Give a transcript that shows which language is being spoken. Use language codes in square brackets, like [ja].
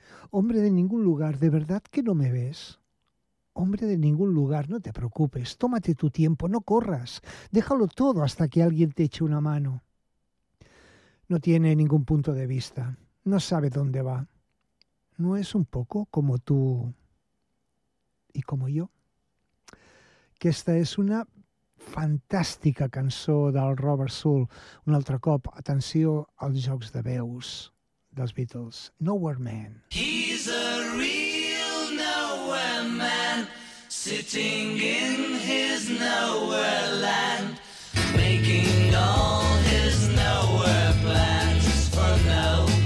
[es] Hombre de ningún lugar, ¿de verdad que no me ves? Hombre de ningún lugar, no te preocupes. Tómate tu tiempo, no corras. Déjalo todo hasta que alguien te eche una mano. No tiene ningún punto de vista. No sabe dónde va. ¿No es un poco como tú y como yo? [ca] Que esta és una fantàstica cançó del Robert Soul. Un altre cop, atenció als jocs de veus dels Beatles. [en] Nowhere Man. He's a real nowhere man, sitting in his nowhere land, making all his nowhere plans for now.